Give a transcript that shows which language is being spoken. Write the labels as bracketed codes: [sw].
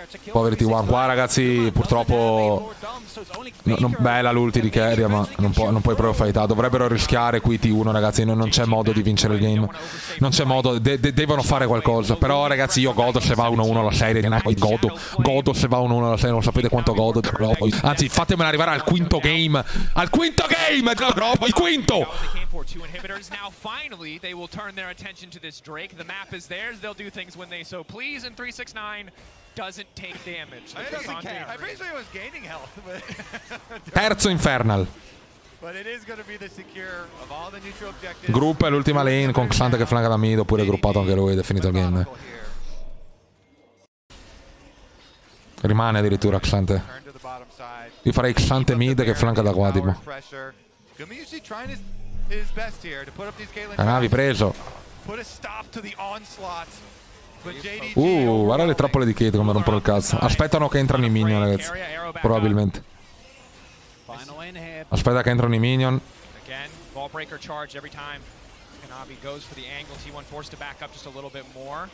[it] Poveri T1, qua ragazzi, purtroppo non bella l'ulti di Kairia, ma non puoi proprio fightare. Dovrebbero rischiare qui T1, ragazzi, non c'è modo di vincere il game. Non c'è modo, devono fare qualcosa. Però ragazzi, io godo se va 1-1 la serie, godo se va 1-1 la serie, non sapete quanto godo. Anzi, fatemelo arrivare al quinto game. Al quinto game, il quinto! [en] Two inhibitors now finally they will turn their attention to this Drake. The map is theirs, they'll do things when they so please, and 369 doesn't take damage. I doesn't care. I basically was gaining health, but [it] terzo infernal. [en] But it is gonna be the secure of all the neutral objectives. [it] Gruppo è l'ultima lane con Xante che flanca da mid, oppure gruppato anche lui ed è finito il game. Rimane addirittura Xante. Io farei Xante mid che flanca da qua, tipo. [en] His best here to put up these Caitlyn. [it] Kanavi preso. [en] Put a stop to the onslaught. [it] Guarda le trappole di Kate come rompono il cazzo. Aspettano che entrano i minion, ragazzi. Probabilmente. Aspetta che entrano i minion. [en] Again, ball breaker charge every time. Kanavi goes for the angle. T1 forced to back up just a little bit more.